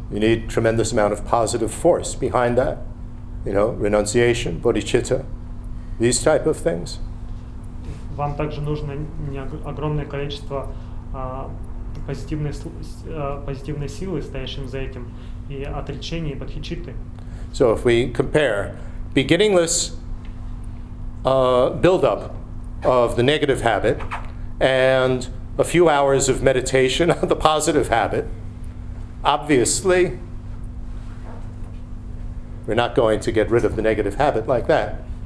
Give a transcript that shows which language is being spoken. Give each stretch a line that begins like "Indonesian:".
English: You need tremendous amount of positive force behind that, you know, renunciation, bodhicitta, these type of things.
Russian: вам также нужно не огромное количество позитивной силы, стоящим за этим, и отречения, и бодхичитты.
English: So if we compare beginningless build-up of the negative habit and a few hours of meditation on the positive habit, obviously we're not going to get rid of the negative habit like that.